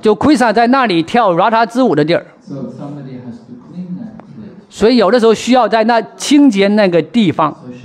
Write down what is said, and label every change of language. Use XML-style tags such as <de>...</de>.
<zh>就 Krishna 在那里跳 Rasa 之舞的地儿。</zh> <en>So somebody has to clean that.</en> <zh>所以有的时候需要在那清洁那个地方。</zh>